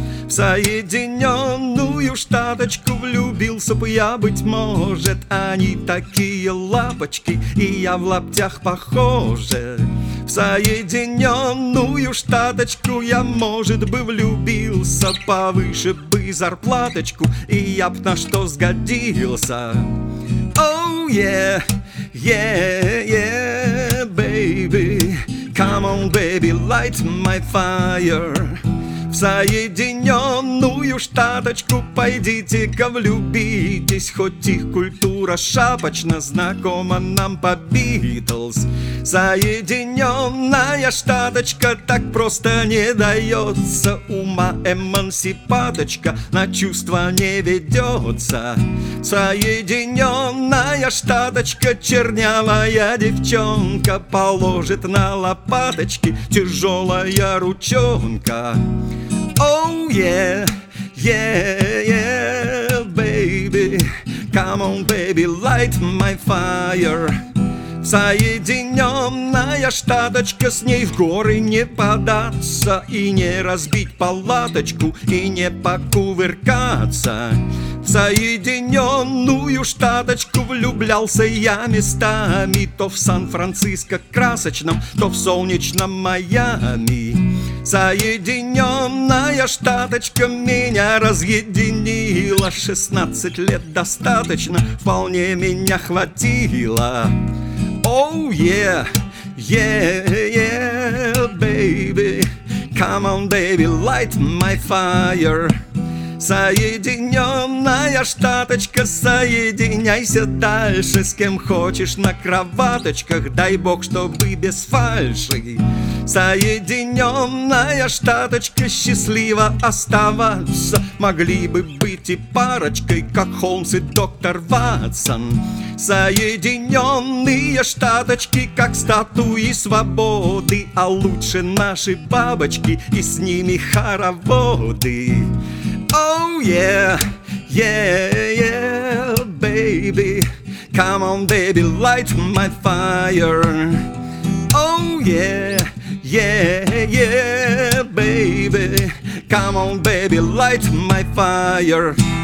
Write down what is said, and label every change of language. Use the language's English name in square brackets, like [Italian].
[Russian] В Соединенную Штаточку влюбился бы я, быть может, они такие лапочки, и я в лаптях похожа. В Соединенную Штаточку я, может, бы влюбился, повыше бы зарплаточку, и я б на что сгодился. [English] Oh yeah, yeah, yeah, baby, come on, baby, light my fire. [Russian] В Соединенную Штаточку пойдите-ка влюбитесь, хоть их культура шапочно знакома нам по Битлз. Соединенная Штаточка так просто не дается, ума эмансипаточка на чувства не ведется. Соединенная Штаточка чернявая девчонка положит на лопаточки тяжелая ручонка. [English] Oh yeah, yeah, yeah, baby, come on, baby, light my fire. [Russian] Соединенная Штаточка, с ней в горы не податься, и не разбить палаточку, и не покувыркаться. В Соединенную Штаточку влюблялся я местами, то в Сан-Франциско красочном, то в солнечном Майами. Соединенная Штаточка меня разъединила, 16 лет достаточно, вполне меня хватило. [English] Oh yeah, yeah, yeah, baby, come on, baby, light my fire. [Russian] Соединенная Штаточка, соединяйся дальше с кем хочешь на кроваточках, дай бог, чтобы без фальши. Соединенная Штаточка, счастливо оставаться, могли бы быть и парочкой, как Холмс и доктор Ватсон. Соединенные Штаточки, как статуи свободы, а лучше наши бабочки и с ними хороводы. [English] Oh yeah, yeah, yeah, baby, come on, baby, light my fire. Oh yeah, yeah, yeah, baby, come on, baby, light my fire.